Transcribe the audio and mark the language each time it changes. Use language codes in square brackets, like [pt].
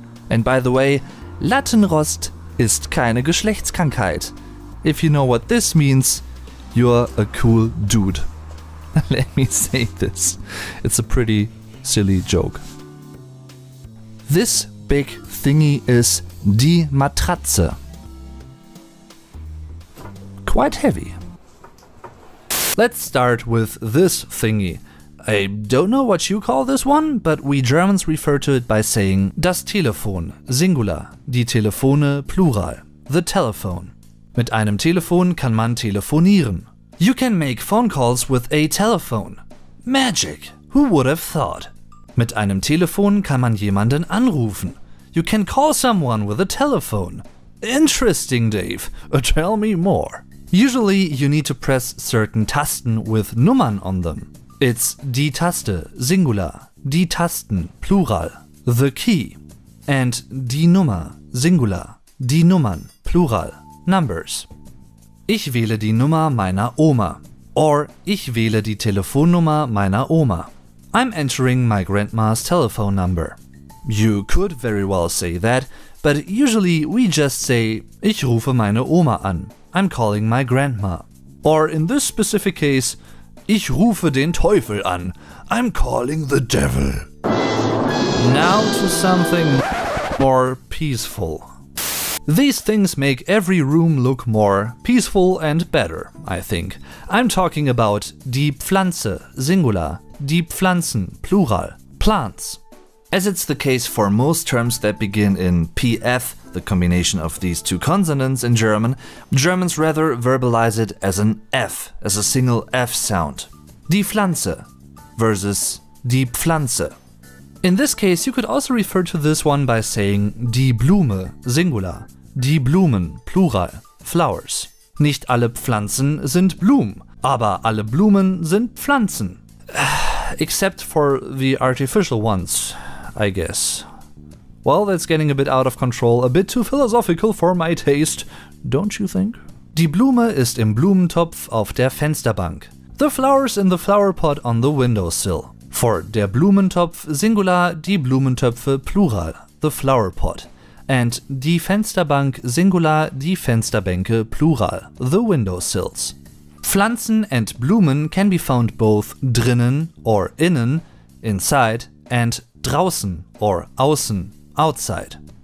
[en] And by the way, [de] Lattenrost ist keine Geschlechtskrankheit. [en] If you know what this means, you're a cool dude. Let me say this. It's a pretty silly joke. This big thingy is die Matratze. Quite heavy. Let's start with this thingy. I don't know what you call this one, but we Germans refer to it by saying das Telefon, Singular, die Telefone, Plural, the telephone. [de] Mit einem Telefon kann man telefonieren. [en] You can make phone calls with a telephone. Magic! Who would have thought? [de] Mit einem Telefon kann man jemanden anrufen. [en] You can call someone with a telephone. Interesting, Dave. Tell me more. Usually you need to press certain Tasten with Nummern on them. It's die Taste, Singular. Die Tasten, Plural. The key. And die Nummer, Singular. Die Nummern, Plural, numbers. [de] Ich wähle die Nummer meiner Oma. Or ich wähle die Telefonnummer meiner Oma. [en] I'm entering my grandma's telephone number. You could very well say that, but usually we just say, [de] ich rufe meine Oma an. [en] I'm calling my grandma. Or in this specific case, [de] ich rufe den Teufel an. [en] I'm calling the devil. Now to something more peaceful. These things make every room look more peaceful and better, I think. I'm talking about die Pflanze, singular, die Pflanzen, plural, plants. As it's the case for most terms that begin in PF, the combination of these two consonants in German, Germans rather verbalize it as an F, as a single F sound. [de] Die Pflanze versus die Pflanze. [en] In this case, you could also refer to this one by saying die Blume, singular, die Blumen, plural, flowers. [de] Nicht alle Pflanzen sind Blumen, aber alle Blumen sind Pflanzen. [en] Except for the artificial ones, I guess. Well, that's getting a bit out of control, a bit too philosophical for my taste, don't you think? [de] Die Blume ist im Blumentopf auf der Fensterbank. [en] The flowers in the flower pot on the windowsill. For der Blumentopf, singular, die Blumentöpfe, plural, the flower pot. And die Fensterbank, singular, die Fensterbänke, plural, the windowsills. Pflanzen and Blumen can be found both drinnen or innen, inside, and draußen or außen, outside.